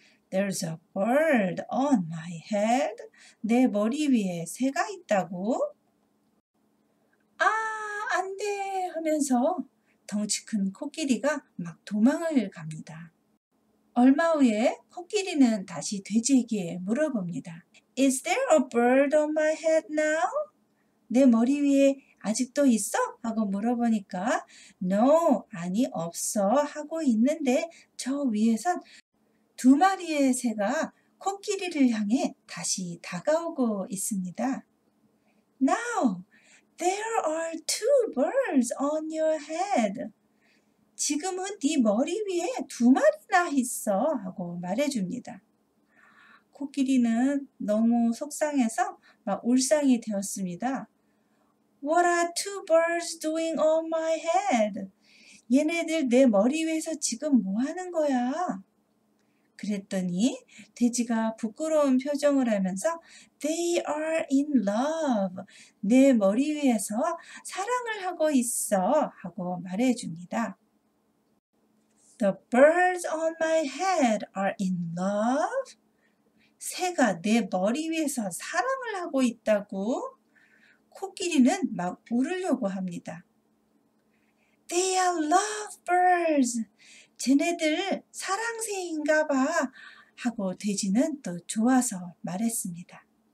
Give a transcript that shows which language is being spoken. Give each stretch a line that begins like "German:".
English: There's a bird on my head.
Korean: 내 머리 위에 새가 있다고. 아, 안 돼! 하면서 덩치 큰 코끼리가 막 도망을 갑니다. 얼마 후에 코끼리는 다시 돼지에게 물어봅니다.
English: Is there a bird on my head now?
Korean: 내 머리 위에 아직도 있어? 하고 물어보니까
English: No,
Korean: 아니 없어 하고 있는데 저 위에선 두 마리의 새가 코끼리를 향해 다시 다가오고 있습니다.
English: Now, there are two birds on your head.
Korean: 지금은 네 머리 위에 두 마리나 있어 하고 말해줍니다. 코끼리는 너무 속상해서 막 울상이 되었습니다.
English: What are two birds doing on my head?
Korean: 얘네들 내 머리 위에서 지금 뭐 하는 거야? 그랬더니 돼지가 부끄러운 표정을 하면서
English: They are in love.
Korean: 내 머리 위에서 사랑을 하고 있어 하고 말해줍니다.
English: The birds on my head are in love.
Korean: 새가 내 머리 위에서 사랑을 하고 있다고 코끼리는 막 울으려고 합니다.
English: They are lovebirds.
Korean: 쟤네들 사랑새인가 봐 하고 돼지는 또 좋아서 말했습니다.